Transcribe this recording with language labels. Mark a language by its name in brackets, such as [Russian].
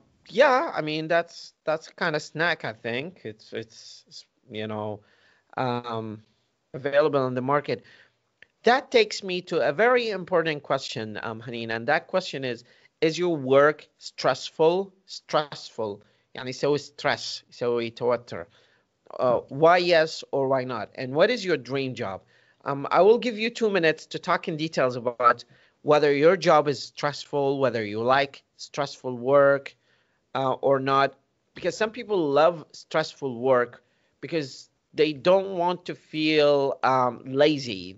[English] Yeah, I mean that's kind of snack, I think. It's you know, available on the market. That takes me to a very important question, Hanin, and that question is your work stressful? Stressful. [Arabic] يعني يسوي stress, يسوي توتر. [English] Why yes or why not? And what is your dream job? I will give you 2 minutes to talk in details about whether your job is stressful, whether you like stressful work or not. Because some people love stressful work because they don't want to feel lazy.